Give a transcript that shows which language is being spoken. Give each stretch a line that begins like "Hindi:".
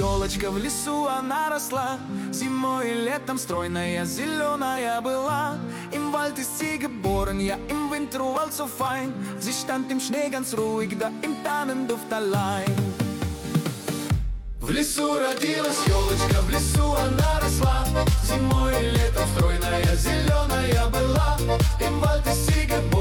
Russian: В лесу она росла, зимой и летом стройная, зеленая была.
German: Im Wald ist sie geboren, ja, im Winter war so fein. Sie stand im Schnee ganz ruhig, da im Tannenduft allein.
Russian: В лесу родилась елочка, в лесу она росла. Зимой и летом стройная, зеленая была.
German: Im Wald ist sie geboren.